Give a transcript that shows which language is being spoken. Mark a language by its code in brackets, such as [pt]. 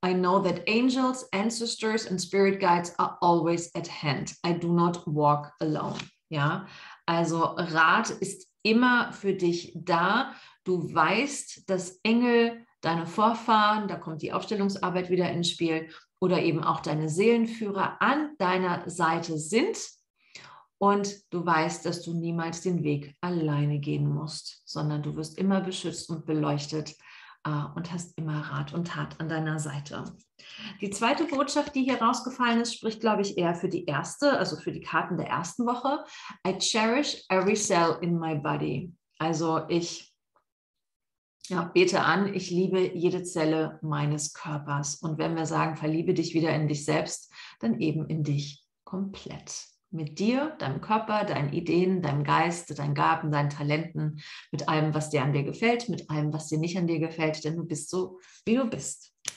[en] I know that angels, ancestors and spirit guides are always at hand. I do not walk alone. [de] Ja, also Rat ist immer für dich da. Du weißt, dass Engel, deine Vorfahren, da kommt die Aufstellungsarbeit wieder ins Spiel, oder eben auch deine Seelenführer an deiner Seite sind. Und du weißt, dass du niemals den Weg alleine gehen musst, sondern du wirst immer beschützt und beleuchtet, und hast immer Rat und Tat an deiner Seite. Die zweite Botschaft, die hier rausgefallen ist, spricht, glaube ich, eher für die erste, also für die Karten der ersten Woche. [en] I cherish every cell in my body. [de] Also ich, ja, bete an, ich liebe jede Zelle meines Körpers. Und wenn wir sagen, verliebe dich wieder in dich selbst, dann eben in dich komplett. Mit dir, deinem Körper, deinen Ideen, deinem Geist, deinen Gaben, deinen Talenten, mit allem, was dir an dir gefällt, mit allem, was dir nicht an dir gefällt, denn du bist so, wie du bist.